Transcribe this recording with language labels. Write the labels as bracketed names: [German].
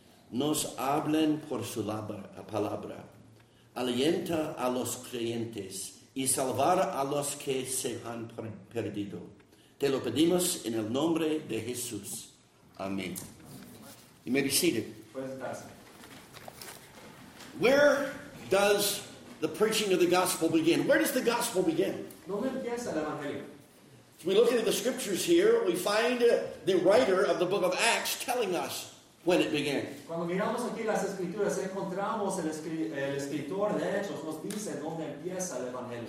[Spanish] Nos hablen por su palabra. Alienta a los creyentes y salvar a los que se han perdido. Te lo pedimos en el nombre de Jesús. Amén. Y me decide. [English] Where does the preaching of the gospel begin? Where does the gospel begin? [Spanish] ¿Dónde empieza el evangelio? [English] So we look at the scriptures here, we find the writer of the book of Acts telling us when it began. [Spanish] Cuando miramos aquí las escrituras, encontramos el escritor de Hechos nos dice dónde empieza el evangelio.